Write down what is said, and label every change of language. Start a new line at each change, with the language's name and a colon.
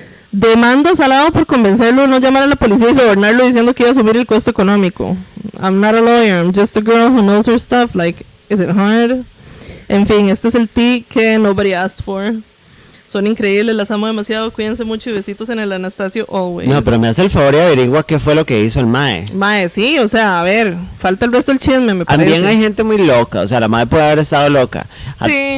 Spanish: Demando a Salado por convencerlo de no llamar a la policía y sobornarlo diciendo que iba a asumir el costo económico.
English: I'm not a lawyer, I'm just a girl who knows her stuff. Like, is it hard?
Spanish: En fin, este es el tea que
English: nobody asked for.
Spanish: Son increíbles, las amo demasiado. Cuídense mucho y besitos en el Anastasio always. No, pero me hace el favor y averigua qué fue lo que hizo el mae. Mae, sí, o sea, a ver, falta el resto del chisme, me parece. También hay gente muy loca, o sea, la mae puede haber estado loca. Sí.